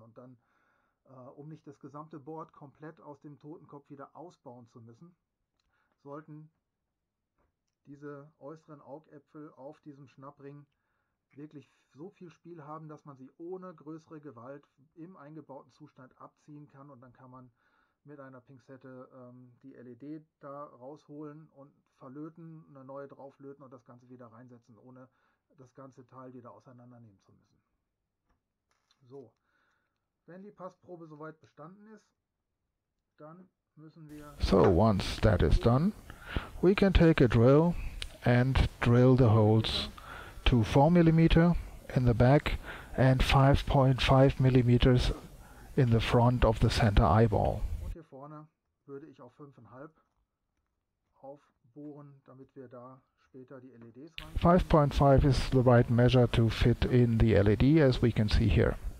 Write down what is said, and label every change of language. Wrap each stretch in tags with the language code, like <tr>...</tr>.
<de>Und dann, um nicht das gesamte Board komplett aus dem Totenkopf wieder ausbauen zu müssen, sollten diese äußeren Augäpfel auf diesem Schnappring wirklich so viel Spiel haben, dass man sie ohne größere Gewalt im eingebauten Zustand abziehen kann, und dann kann man mit einer Pinzette die LED da rausholen und verlöten, eine neue drauflöten und das Ganze wieder reinsetzen, ohne das ganze Teil wieder auseinandernehmen zu müssen. So, wenn die Passprobe soweit bestanden ist, dann müssen wir...</de> <en>So, once that is done, we can take a drill and drill the holes to 4 mm in the back and 5.5 mm in the front of the center eyeball.</en> <de>Und hier vorne würde ich auf 5,5 aufbohren, damit wir da später die LEDs rein.</de> <en>5.5 is the right measure to fit in the LED, as we can see here.</en>